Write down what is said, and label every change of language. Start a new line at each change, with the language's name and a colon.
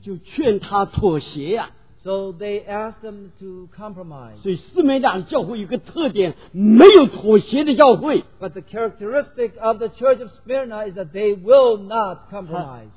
Chinese: 就劝他妥协啊。
English: So they asked them to compromise.
Chinese: 所以斯美纳教会有个特点, 没有妥协的教会。
English: But the characteristic of the Church of Smyrna is that they will not compromise.